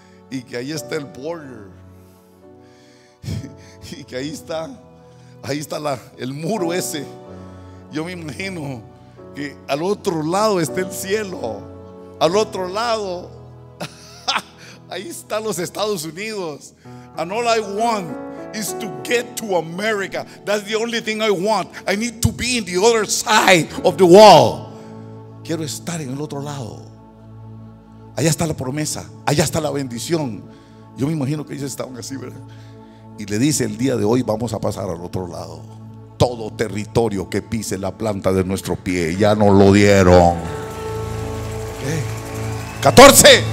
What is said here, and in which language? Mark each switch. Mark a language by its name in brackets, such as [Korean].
[Spanish] Y que ahí está el border. Y que ahí está. Ahí está el muro ese. Yo me imagino que al otro lado está el cielo. Al otro lado. Ahí están los Estados Unidos. [English] And all I want is to get to America. That's the only thing I want. I need to be in the other side of the wall. [Spanish] Quiero estar en el otro lado. Allá está la promesa, allá está la bendición. Yo me imagino que ellos estaban así, ¿verdad? Y le dice: el día de hoy vamos a pasar al otro lado. Todo territorio que pise la planta de nuestro pie, ya nos lo dieron. ¿Qué? 14.